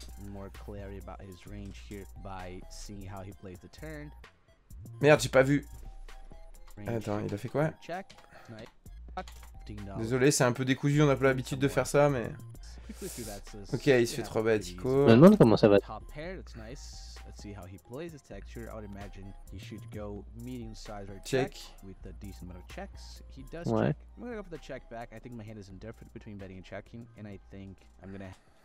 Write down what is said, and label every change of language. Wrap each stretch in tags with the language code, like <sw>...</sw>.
<en>More clarity about his range here by seeing how he plays the turn.</en> <fr>Merde, j'ai pas vu. Attends, il a fait quoi? Check. $15. Désolé, c'est un peu décousu, on n'a pas l'habitude de faire ça, mais... Ok, il se fait 3 bêtes, Ico. Je me demande comment ça va être.</fr> <en>See how he plays his texture. I would imagine he should go medium size or check with a decent amount of checks. He does ouais. check. I'm gonna go for the check back. I think my hand is indifferent between betting and checking, and I think I'm gonna.</en>